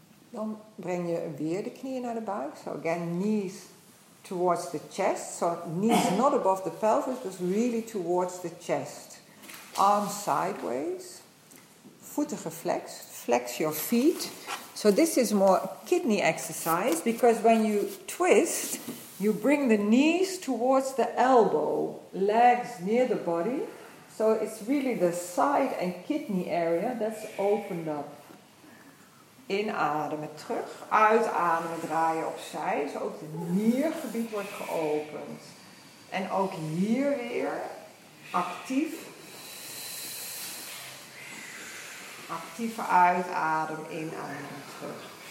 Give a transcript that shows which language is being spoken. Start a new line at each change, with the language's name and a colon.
Dutch: Dan breng je weer de knieën naar de buik.
English: So again, knees towards the chest. So knees not above the pelvis, but really towards the chest. Arms sideways.
Dutch: Voeten geflexed.
English: Flex your feet. So this is more kidney exercise, because when you twist, you bring the knees towards the elbow. Legs near the body. So it's really the side and kidney area that's opened up.
Dutch: Inademen, terug. Uitademen, draaien opzij. Dus ook het niergebied wordt geopend. En ook hier weer actief. Actieve uitadem, inademen, terug.